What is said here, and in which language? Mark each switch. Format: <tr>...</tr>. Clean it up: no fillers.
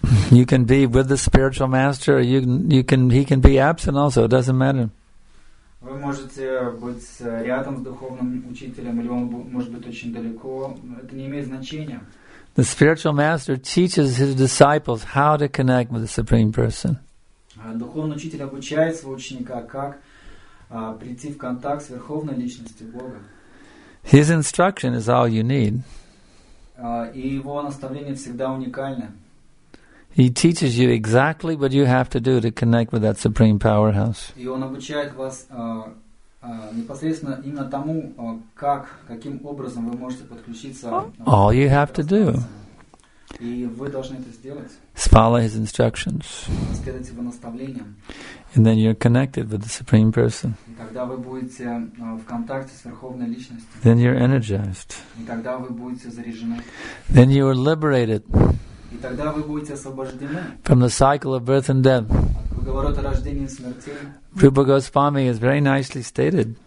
<en>You can be with the spiritual master, or he can be absent also, it doesn't matter.</en> <ru>Вы можете быть рядом с духовным учителем, или он может быть очень далеко. Это не имеет значения.</ru> <en>The spiritual master teaches his disciples how to connect with the Supreme Person.</en> <ru>Духовный учитель обучает своего ученика, как прийти в контакт с Верховной Личностью Бога.</ru> <en>His instruction is all you need.</en> <ru>И его наставление всегда уникальное.</ru> <en>He teaches you exactly what you have to do to connect with that Supreme Powerhouse.</en> <ru>И он обучает вас непосредственно именно тому, каким образом вы можете подключиться.</ru> <en>All you have to do.</en> <ru>И вы должны это сделать.</ru> <en>Follow his instructions.</en> <ru>Следовать его наставлениям.</ru> <en>And then you're connected with the Supreme Person.</en> <ru>И тогда вы будете в контакте с Верховной Личностью.</ru> <en>Then you're energized.</en> <ru>И тогда вы будете заряжены.</ru> <en>Then you are liberated.</en> <ru>И тогда вы будете освобождены.</ru> <en>From the cycle of birth and death.</en> <ru>От круговорота рождения и смерти.</ru> <en>Rupa Goswami is very nicely stated.</en>